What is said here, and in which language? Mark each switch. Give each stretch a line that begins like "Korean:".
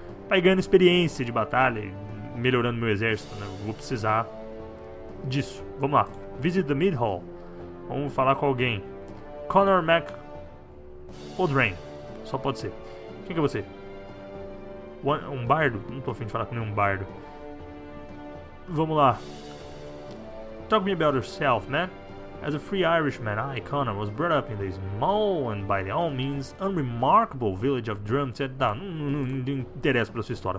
Portuguese: Pra ir ganhando experiência de batalha, melhorando meu exército, né? Eu vou precisar disso. Vamos lá.
English: Visit the Mid Hall.
Portuguese: Vamos falar com alguém. Connor Mac O'Drain. Só pode ser. Quem que é você? Um bardo? Não tô a fim de falar com nenhum bardo. Vamos lá.
English: Talk me about yourself, man. As a free Irishman, I, Connor, was brought up in the small and by all means unremarkable village of Drumset.
Portuguese: Tá, não interessa pela sua história.